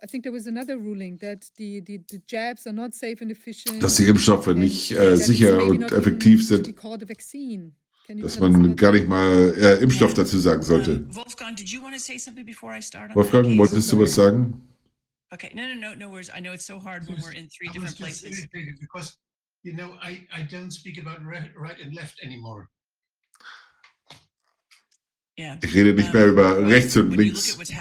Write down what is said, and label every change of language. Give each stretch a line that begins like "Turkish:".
English: I think there was another ruling that the jabs are not safe and efficient.
German: Dass die Impfstoffe nicht sicher und effektiv sind. Dass man gar nicht mal Impfstoff dazu sagen sollte.
English: Wolfgang, did you want to say something before I start?
German: Wolfgang, wolltest du was sagen?
English: Okay, no worries. I know it's so hard when we're in three different places. Because you know, I don't speak about right and left anymore.
German: Ich rede nicht mehr über rechts und links.